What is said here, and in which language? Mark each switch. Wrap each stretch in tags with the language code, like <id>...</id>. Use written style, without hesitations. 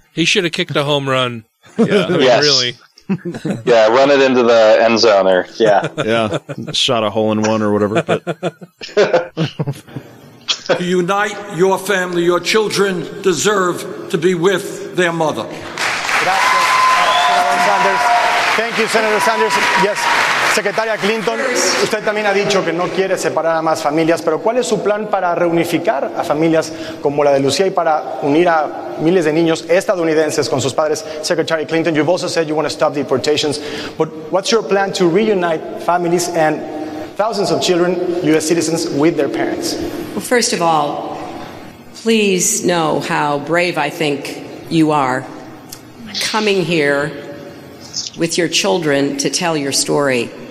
<en>He should have kicked a home run. Yeah, yes. Really. Yeah, run it into the end zone or, yeah. Yeah, shot a hole in one or whatever. But. To unite your family, your children deserve to be with their mother.</en> <es>Gracias,</es> <en>Senator Sanders. Thank you, Senator Sanders.</en> <es>Yes, Secretaria Clinton, usted también ha dicho que no quiere separar a más familias, pero ¿cuál es su plan para reunificar a familias como la de Lucía y para unir a miles de niños estadounidenses con sus padres?</es> <en>Secretary Clinton, you've also said you want to stop deportations, but what's your plan to reunite families and thousands of children, U.S. citizens, with their parents? Well, first of all, please know how brave I think you are coming here with your children to tell your story.</en>